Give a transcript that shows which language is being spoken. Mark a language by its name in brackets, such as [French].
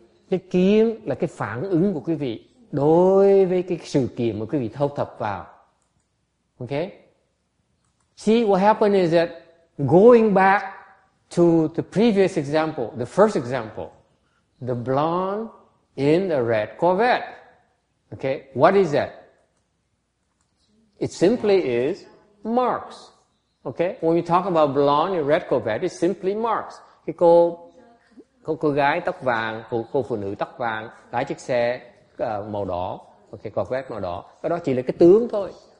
[Vietnamese] Cái kiến là cái phản ứng của quý vị đối với cái sự kiện mà quý vị thâu thập vào. [English] Okay? See, what happened is that going back to the previous example, the first example, the blonde in the red Corvette. Okay, what is that? It simply is marks. Okay, when you talk about blonde and red Corvette, it's simply marks. [Vietnamese] Cái cô gái tóc vàng, cô phụ nữ tóc vàng, lái chiếc xe màu đỏ, okay, Corvette màu đỏ. Cái đó chỉ là cái tướng thôi.